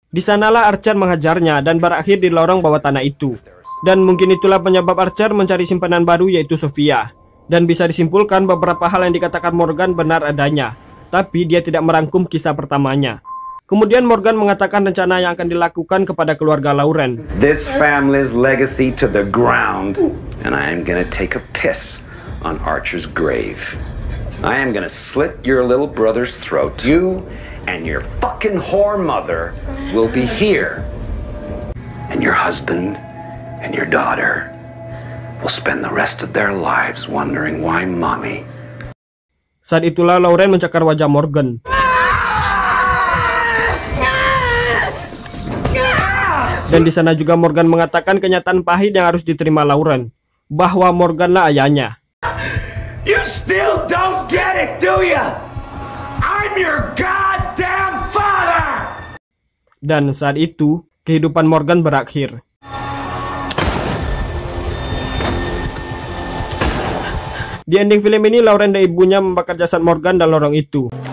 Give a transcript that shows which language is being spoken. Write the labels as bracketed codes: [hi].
[id] Di sanalah Archer menghajarnya dan berakhir di lorong bawah tanah itu. Dan mungkin itulah penyebab Archer mencari simpanan baru yaitu Sofia. Dan bisa disimpulkan beberapa hal yang dikatakan Morgan benar adanya. Tapi dia tidak merangkum kisah pertamanya. Kemudian Morgan mengatakan rencana yang akan dilakukan kepada keluarga Lauren. [en] This family's legacy to the ground, and I am gonna take a piss on Archer's grave. I am gonna slit your little brother's throat. You and your fucking whore mother will be here. And your husband and your daughter will spend the rest of their lives wondering why mommy. [id] Saat itulah Lauren mencakar wajah Morgan. Dan di sana juga Morgan mengatakan kenyataan pahit yang harus diterima Lauren, bahwa Morganlah ayahnya. [en] You still don't get it, do you? I'm your goddamn father. [id] Dan saat itu kehidupan Morgan berakhir. Di ending film ini, Lauren dan ibunya membakar jasad Morgan dan lorong itu.